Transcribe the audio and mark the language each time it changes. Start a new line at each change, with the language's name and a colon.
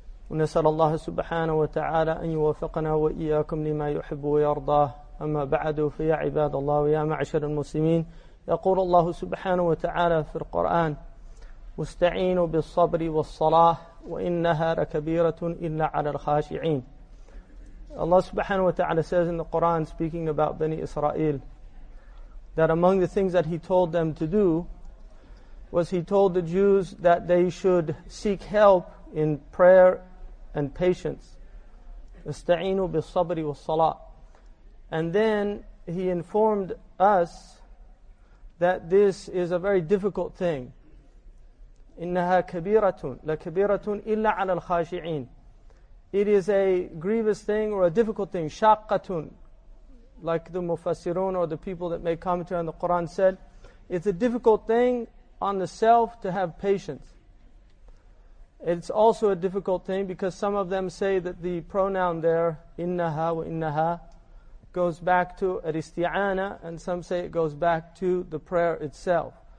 Arabic: ونسأل الله سبحانه وتعالى أن يوفقنا وإياكم لما يحب ويرضاه أما بعد فيا عباد الله ويا معشر المسلمين يقول الله سبحانه وتعالى في القرآن واستعينوا بالصبر والصلاة وإنها لكبيرة إلا على الخاشعين.
English: Allah
Arabic: سبحانه وتعالى
English: says in the Quran, speaking about Bani Israel, that among the things that he told them to do was he told the Jews that they should seek help in prayer and patience.
Arabic: استعينوا بالصبر والصلاة.
English: And then he informed us that this is a very difficult thing.
Arabic: إنها كبيرة لكبيرة إلا على الخاشعين.
English: It is a grievous thing or a difficult thing.
Arabic: شاقة.
English: Like the Mufassirun or the people that make commentary on the Quran said, it's a difficult thing on the self to have patience. It's also a difficult thing because some of them say that the pronoun there, innaha wa innaha, goes back to al-isti'ana, and some say it goes back to the prayer itself.